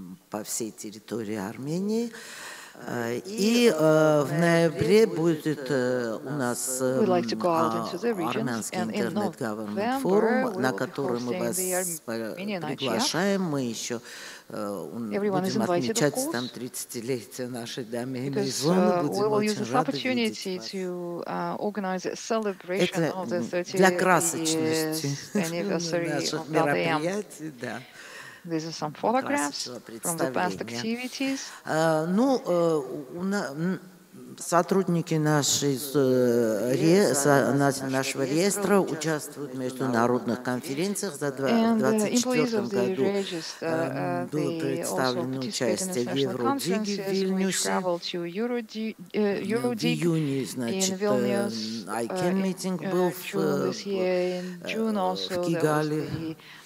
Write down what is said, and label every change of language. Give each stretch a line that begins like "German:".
Russian: По всей территории Армении. И в ноябре будет у нас армянский интернет-говернмент форум, на который мы вас приглашаем. Мы еще будем отмечать там 30-летие нашей доменной зоны, будем очень рады видеть вас. Это для красочности наших мероприятий, да.
English: These are some photographs from the past activities.
Russian: Сотрудники нашего реестра участвуют в международных конференциях. За 2024 году было представлено участие в Евродиге в Вильнюсе. В июне, значит, ICANN митинг был в Кигали.